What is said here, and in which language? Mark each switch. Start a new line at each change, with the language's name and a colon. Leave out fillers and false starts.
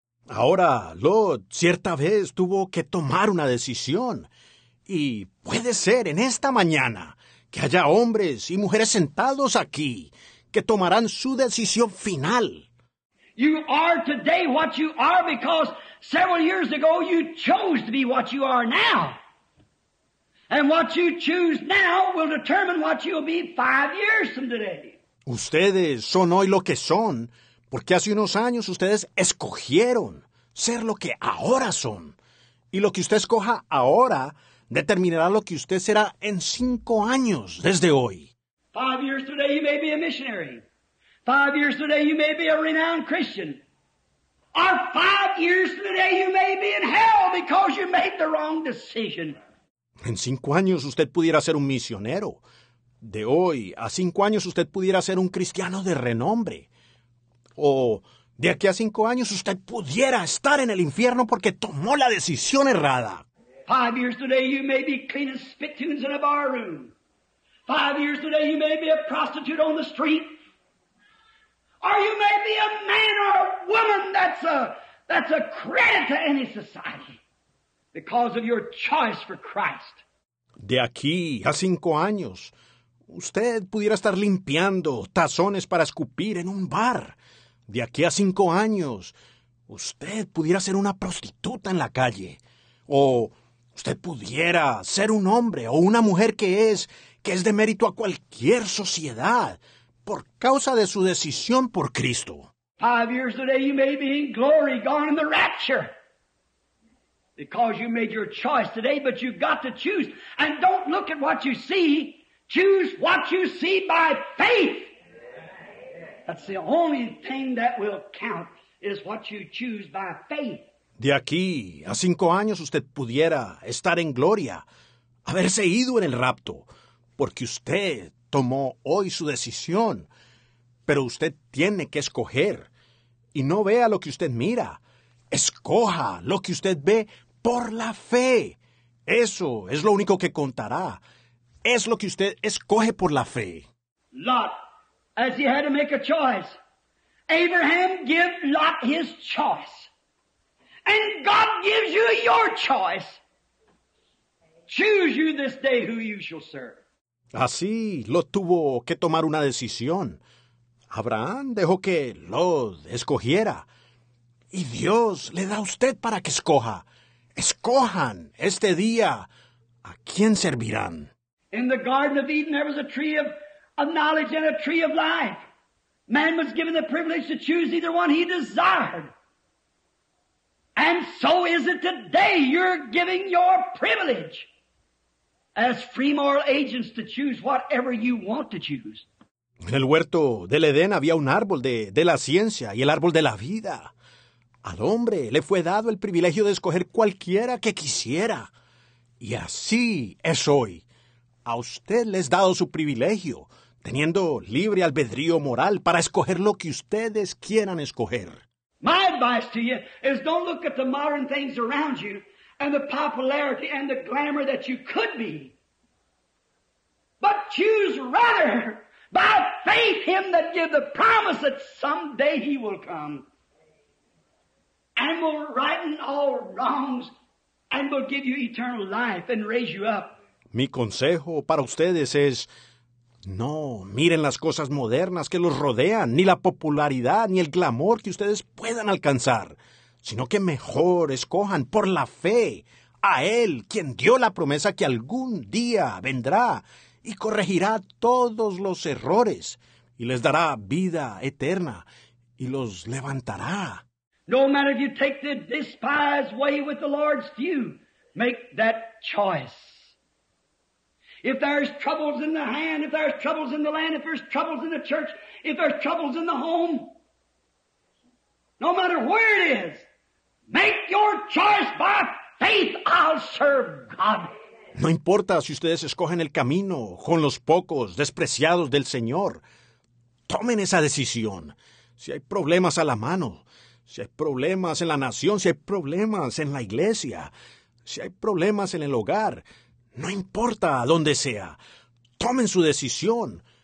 Spanish: Ahora, Lot, cierta vez tuvo que tomar una decisión. Y puede ser en esta mañana que haya hombres y mujeres sentados aquí que tomarán su decisión final.
English: You are today what you are because several years ago you chose to be what you are now. And what you choose now will determine what you'll be 5 years from today.
Spanish: Ustedes son hoy lo que son, porque hace unos años ustedes escogieron ser lo que ahora son. Y lo que usted escoja ahora determinará lo que usted será en 5 años desde hoy.
English: 5 years today you may be a missionary. 5 years today you may be a renowned Christian. Or 5 years today you may be in hell because you made the wrong decision.
Spanish: En 5 años usted pudiera ser un misionero. De hoy a 5 años usted pudiera ser un cristiano de renombre. O de aquí a 5 años usted pudiera estar en el infierno porque tomó la decisión errada.
English: 5 years today you may be cleaning spittoons in a bar room. 5 years today you may be a prostitute on the street. Or you may be a man or a woman that's a credit to any society because of your choice for Christ.
Spanish: De aquí a 5 años, usted pudiera estar limpiando tazones para escupir en un bar. De aquí a 5 años, usted pudiera ser una prostituta en la calle. O usted pudiera ser un hombre o una mujer que es de mérito a cualquier sociedad por causa de su decisión por Cristo.
English: 5 years today you may be in glory, gone in the rapture. Because you made your choice today, but you've got to choose. And don't look at what you see. Choose what you see by faith. That's the only thing that will count, is what you choose by faith.
Spanish: De aquí a 5 años usted pudiera estar en gloria, haberse ido en el rapto, porque usted tomó hoy su decisión. Pero usted tiene que escoger, y no vea lo que usted mira. Escoja lo que usted ve por la fe. Eso es lo único que contará. Es lo que usted escoge por la fe.
English: Lot, as he had to make a choice. Abraham gave Lot his choice. And God gives you your choice. Choose you this day who you shall serve.
Spanish: Así lo tuvo que tomar una decisión. Abraham dejó que Lot escogiera. Y Dios le da a usted para que escoja. Escojan este día a quién servirán.
English: In the Garden of Eden there was a tree of knowledge and a tree of life. Man was given the privilege to choose either one he desired. And so is it today. You're giving your privilege as free moral agents to choose whatever you want to choose.
Spanish: En el huerto del Edén había un árbol de la ciencia y el árbol de la vida. Al hombre le fue dado el privilegio de escoger cualquiera que quisiera. Y así es hoy. A usted le es dado su privilegio, teniendo libre albedrío moral para escoger lo que ustedes quieran escoger.
English: My advice to you is don't look at the modern things around you and the popularity and the glamour that you could be. But choose rather by faith him that give the promise that someday he will come and will righten all wrongs and will give you eternal life and raise you up.
Spanish: Mi consejo para ustedes es: no miren las cosas modernas que los rodean, ni la popularidad, ni el glamour que ustedes puedan alcanzar, sino que mejor escojan por la fe a Él, quien dio la promesa que algún día vendrá y corregirá todos los errores, y les dará vida eterna, y los levantará.
English: No matter if you take the despised way with the Lord's view, make that choice. If there's troubles in the hand, if there's troubles in the land, if there's troubles in the church, if there's troubles in the home, no matter where it is, make your choice by faith, I'll serve God.
Spanish: No importa si ustedes escogen el camino con los pocos despreciados del Señor, tomen esa decisión. Si hay problemas a la mano, si hay problemas en la nación, si hay problemas en la iglesia, si hay problemas en el hogar, no importa a dónde sea, tomen su decisión.